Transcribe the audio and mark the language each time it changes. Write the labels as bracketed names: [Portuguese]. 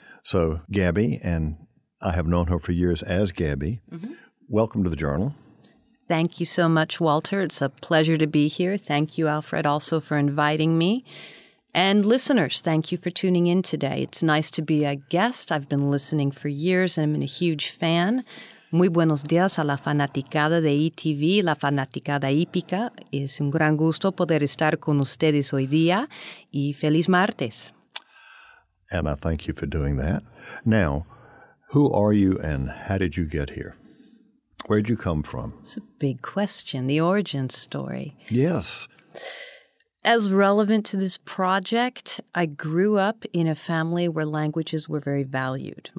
[English] So Gabby, and I have known her for years as Gabby, Welcome to the Journal. Thank you so much, Walter. It's a pleasure to be here. Thank you, Alfred, also for inviting me. And listeners, thank you for tuning in today. It's nice to be a guest. I've been listening for years, and I'm a huge fan. [Spanish] Muy buenos días a la fanaticada de ETV, la fanaticada hípica. Es un gran gusto poder estar con ustedes hoy día, y feliz martes. [English] And I thank you for doing that. Now, who are you and how did you get here? Where'd you come from? It's a big question, the origin story. Yes. As relevant to this project, I grew up in a family where languages were very valued.